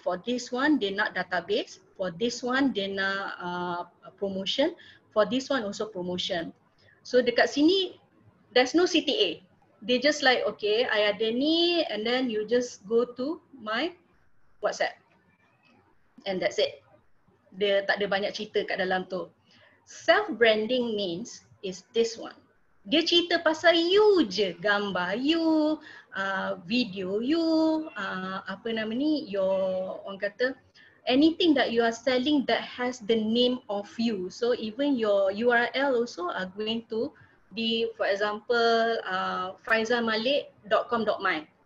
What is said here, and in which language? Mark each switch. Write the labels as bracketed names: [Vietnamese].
[English] For this one, [Malay] dia nak database. [English] For this one, [Malay] dia nak promotion. [English] For this one, also promotion. So [Malay] dekat sini, [English] there's no CTA. They just like, okay, I [Malay] ada ni, [English] and then you just go to my WhatsApp. And that's it. [Malay] Dia tak ada banyak cerita kat dalam tu. [English] Self-branding means is this one. [Malay] Dia cerita pasal you je. Gambar [English] you, video you, [Malay] apa nama ni, [English] your, [Malay] orang kata, [English] anything that you are selling that has the name of you. So even your URL also are going to be, for example, faizalmalik.com.my.